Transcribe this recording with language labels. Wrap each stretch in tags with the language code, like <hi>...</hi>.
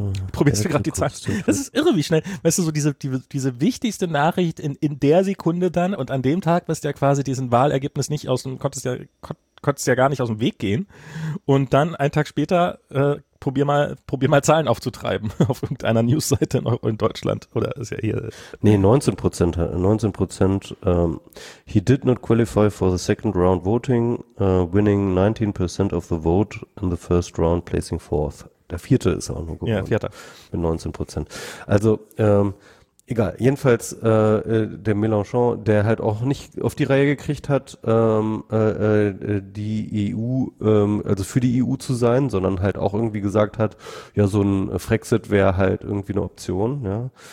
<de>Probierst du gerade die Zahl? Das ist irre, wie schnell, weißt du, so diese wichtigste Nachricht in der Sekunde dann und an dem Tag bist du ja quasi diesen Wahlergebnis nicht aus dem, konntest ja gar nicht aus dem Weg gehen. Und dann einen Tag später, Probier mal Zahlen aufzutreiben auf irgendeiner Newsseite in Deutschland oder ist ja hier. Nee, 19%.</de> <en>He did not qualify for the second round voting, winning 19% of the vote in the first round, placing fourth.</en> <de>Der vierte ist auch nur gewonnen. Ja, vierter. Mit 19%. Also, egal. Jedenfalls, der Mélenchon, der halt auch nicht auf die Reihe gekriegt hat, die EU, also für die EU zu sein, sondern halt auch irgendwie gesagt hat, ja, so ein Frexit wäre halt irgendwie eine Option, ja.</de>